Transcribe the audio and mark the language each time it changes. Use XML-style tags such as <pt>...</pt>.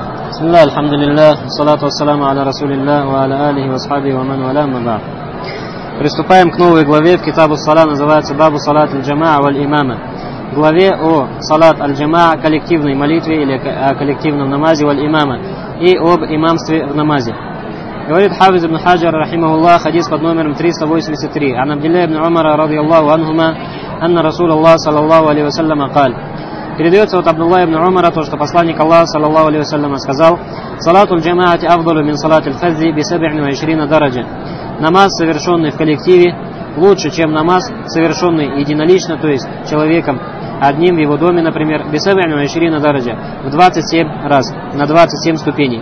<ar>بسم الله الحمد لله والصلاة والسلام على رسول الله وعلى آله وصحبه ومن والاه أما بعد.</ar> <ru>Приступаем к новой главе в Китабу Сала, называется Бабу Салат аль-Джамаа валь-Имама. Главе о Салат аль-Джамаа, коллективной молитве или о коллективном намазе валь-Имама и об имамстве в намазе. Говорит Хафиз ибн Хаджар рахимаху Аллах, хадис под номером 383.</ru> <ar>عن عبد الله بن عمر رضي الله عنهما أن رسول الله صلى الله عليه وسلم قال.</ar> <ru>Передается от Абдуллах ибн Умара то, что посланник Аллаха, саллаллаху алейхи ва саллям, сказал:</ru> <ar>«Салату аль-джамаати афдалу мин салати аль-фазди би 27 дараджа».</ar> <ru>Намаз, совершенный в коллективе, лучше, чем намаз, совершенный единолично, то есть человеком, одним в его доме, например, би 27 дараджа, в 27 раз, на 27 ступеней.</ru>